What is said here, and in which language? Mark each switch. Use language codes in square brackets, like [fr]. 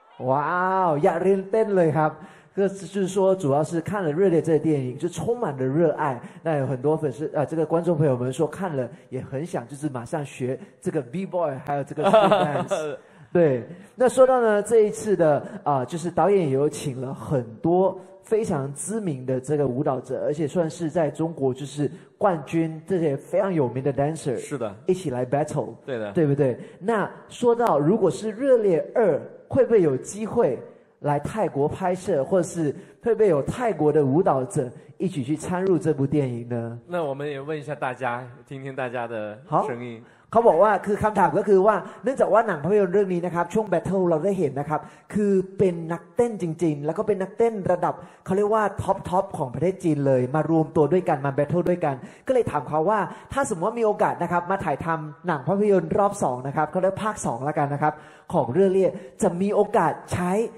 [th] ว้าวอยากเรียนเต้นเลยครับก็คือ [zh] 说主要是看了热烈这个电影就充满了热爱那有很多粉丝这个观众朋友们说看了也很想就是马上学这个 B-boy 还有这个 dance对那说到呢这一次的就是导演也有请了很多非常知名的这个舞蹈者而且算是在中国就是冠军这些非常有名的 dancer 是的一起来 battle 对的对不对那说到如果是热烈二会不会有机会来泰国拍摄或者是会不会有泰国的舞蹈者一起去参入这部电影呢那我们也问一下大家听听大家的声音好 [th] เขาบอกว่าคือคำถามก็คือว่าเนื่องจากว่าหนังภาพยนตร์เรื่องนี้นะครับช่วงแบทเทิลเราได้เห็นนะครับคือเป็นนักเต้นจริงๆแล้วก็เป็นนักเต้นระดับเขาเรียกว่าท็อปๆของประเทศจีนเลยมารวมตัวด้วยกันมาแบทเทิลด้วยกันก็เลยถามเขาว่าถ้าสมมติว่ามีโอกาสนะครับมาถ่ายทำหนังภาพยนตร์รอบ2นะครับเขาเรียกภาค2ละกันนะครับของเรื่องเรียกจะมีโอกาสใช้